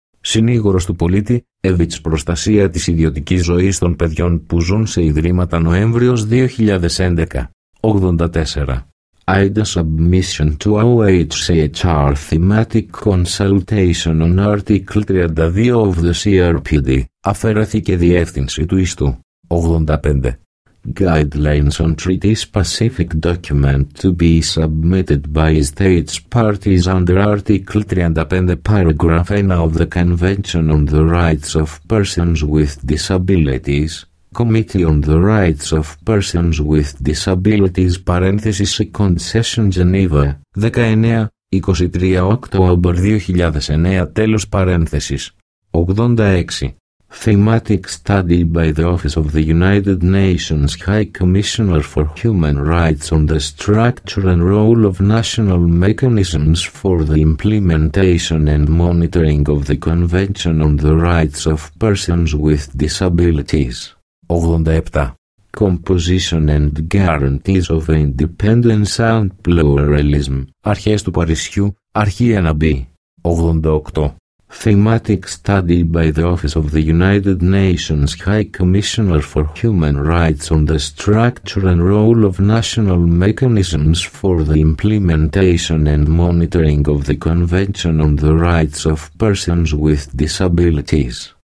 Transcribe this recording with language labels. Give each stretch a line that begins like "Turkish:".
Greek: Συνήγορος του Πολίτη, Εβιτς Προστασία της Ιδιωτικής Ζωής των Παιδιών που ζουν σε Ιδρύματα Νοέμβριος 2011, 84.
English: Ida submission to OHCHR thematic consultation on Article 32 of the CRPD.
Greek: Αφαιρέθηκε διεύθυνση του ιστού. 85.
English: Guidelines on treaty specific document to be submitted by states parties under Article 35 paragraph N of the Convention on the Rights of Persons with Disabilities. Committee on the Rights of Persons with Disabilities παρένθεσης Second Session Geneva 19-23 October 2009 τέλος παρένθεσης 86. Thematic study by the Office of the United Nations High Commissioner for Human Rights on the structure and role of national mechanisms for the implementation and monitoring of the Convention on the Rights of Persons with Disabilities. 87. Composition and Guarantees of Independence and Pluralism.
Greek: Αρχές του Παρισιού, Αρχή 1B. 88.
English: Thematic study by the Office of the United Nations High Commissioner for Human Rights on the structure and role of national mechanisms for the implementation and monitoring of the Convention on the Rights of Persons with Disabilities.